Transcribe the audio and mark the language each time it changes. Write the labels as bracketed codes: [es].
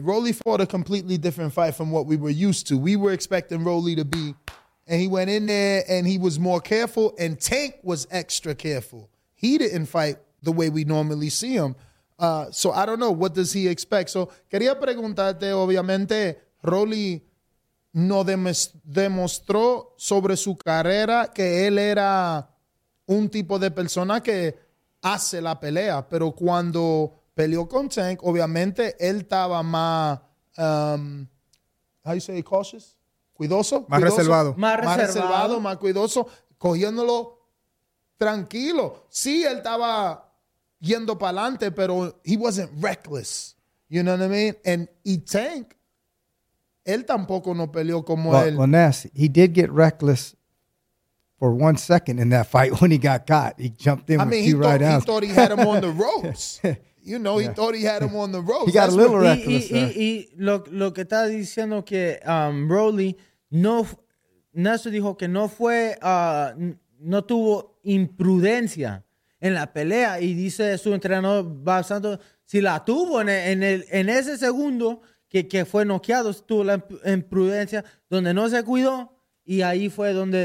[en] Rolly fought a completely different fight from what we were used to. We were expecting Rolly to be, and he went in there, and he was more careful, and Tank was extra careful. He didn't fight the way we normally see him. So I don't know. What does he expect? So [es] quería preguntarte, obviamente, [en] Rolly [es] no demostró sobre su carrera que él era un tipo de persona que hace la pelea. Pero cuando peleó con Tank, obviamente él estaba más, [en] how you say, cautious? [es] Cuidoso. Reservado. Más reservado, más cuidoso, cogiéndolo tranquilo. Sí, él estaba yendo para adelante, pero [en] he wasn't reckless. You know what I mean? And [es] Tank, él tampoco no peleó como él. [en] Well, Ness, he did get reckless for 1 second in that fight when he got caught. He jumped in He thought he had him on the ropes. You know, he thought he had him on the ropes. He got a little reckless. [es] Lo que está diciendo que Rowley, no, Nesso dijo que no fue, no tuvo imprudencia en la pelea. Y dice su entrenador, Bob Santos, si la tuvo en ese segundo que fue noqueado, tuvo la imprudencia donde no se cuidó y ahí fue donde...